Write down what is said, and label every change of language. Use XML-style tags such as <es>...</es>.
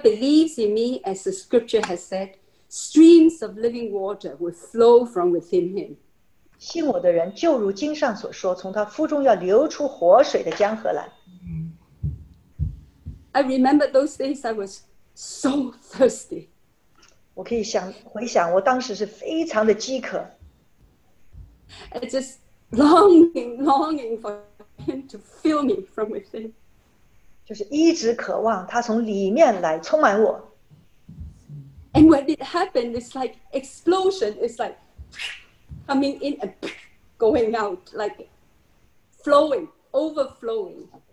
<en>believes in me, as the scripture has said, streams of living water will flow from within him.</en> <zh>信我的人，就如经上所说，从他腹中要流出活水的江河来。I</zh> <en>remember those days I was so thirsty.</en> <zh>我可以想回想，我当时是非常的饥渴。</zh> <en>It's just longing for him to fill me from within.</en> <zh>就是一直渴望他从里面来充满我。</zh> <en>And when it happened, it's like explosion. It's like coming in and going out, like flowing, overflowing.</en>